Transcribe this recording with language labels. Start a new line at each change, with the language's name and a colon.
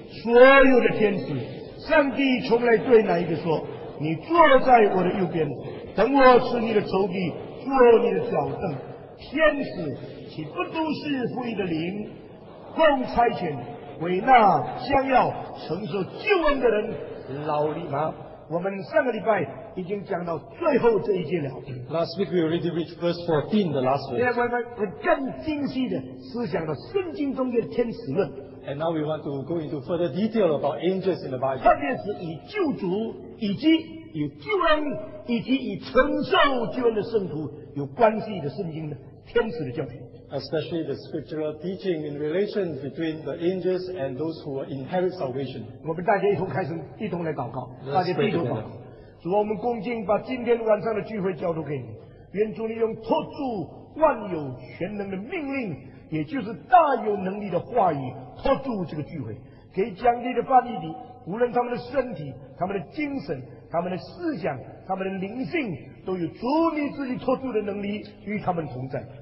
Chinese: 所有的天使上帝从来对哪一个说，你坐在我的右边，等我使你的仇敌做你的脚凳。天使岂不都是父的灵奉差遣为那将要承受救恩的人劳力吗？我们上个礼拜已经讲到最后这一节了。
English: Last week we already reached verse 14, the last verse.
Chinese: 我们更精细的思想了圣经中的天使论。
English: And now we want to go into further detail about angels in the Bible.
Chinese: 特别是以救主以及以救恩以及以承受救恩的圣徒有关系的圣经的天使的教训。
English: Especially the scriptural teaching in relation between the angels and those who inherit salvation.
Chinese: 我们大家一同开始一同来祷告，大家低头祷告。主，我们恭敬把今天晚上的聚会交托给你，愿主你用托住万有全能的命令，也就是大有能力的话语托住这个聚会，给将你的范义的无论他们的身体、他们的精神、他们的思想、他们的灵性，都有主你自己托住的能力与他们同在。